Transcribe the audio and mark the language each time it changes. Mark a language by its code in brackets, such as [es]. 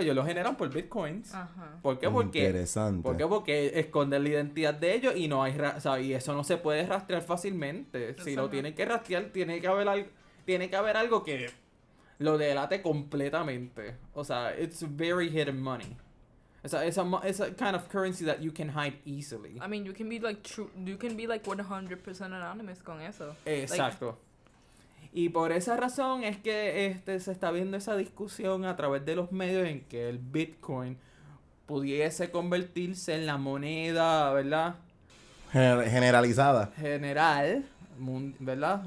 [es] ellos lo generan por bitcoins. Ajá. ¿Por qué? Porque interesante. ¿Por qué? Porque esconden la identidad de ellos y no hay y eso no se puede rastrear fácilmente. Si lo tienen que rastrear, tiene que haber algo que lo delate completamente. O sea, [en] it's very hidden money. It's a kind of currency that you can hide easily. I mean, you can be like 100% anonymous [es] con eso. Exacto. Like, y por esa razón es que se está viendo esa discusión a través de los medios en que el Bitcoin pudiese convertirse en la moneda, ¿verdad? Generalizada. General, ¿verdad?